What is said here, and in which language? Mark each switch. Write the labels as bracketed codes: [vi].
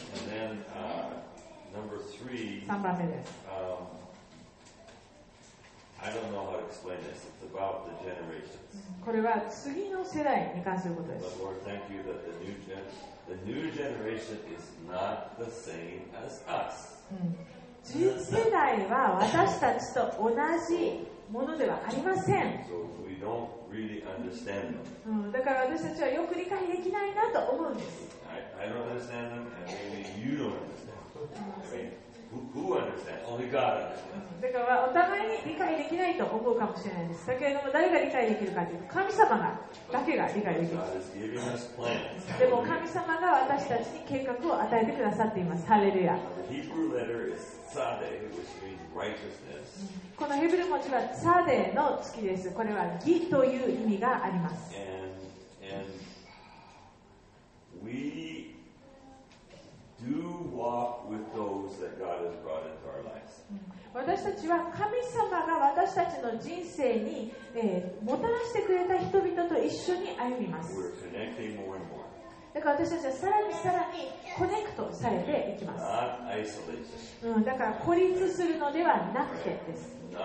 [en] And then, number three, I don't know how to explain this. It's about the generations. [ja] これは次の世代に関することです。 [en] But Lord, thank you that the new generation is not the same as us. [ja] 次世代は私たちと同じものではありません。 [en] Don't really understand them. [ja] だから私たちはよく理解できないなと思うんです。 [en] I don't understand them, and maybe you don't understand. I mean, who understands? Only God understands. [ja] だからお互いに理解できないと思うかもしれないです。だけれども誰が理解できるかというと神様がだけが理解できる。 [en] God is giving us plans. [ja] でも神様が私たちに計画を与えてくださっています。ハレルヤ。 [en] The Hebrew letter is Tzade, which means righteousness. [ja] このヘブル文字はツァデの月です。これは義という意味があります。 [en] and we do walk with those that God has brought into our lives. [ja] 私たちは神様が私たちの人生に、もたらしてくれた人々と一緒に歩みます。 [en] We're connecting more and more. [ja] だから私たちはさらにさらにコネクトされていきます。 [en] Not isolated. [ja] だから孤立するのではなくてです。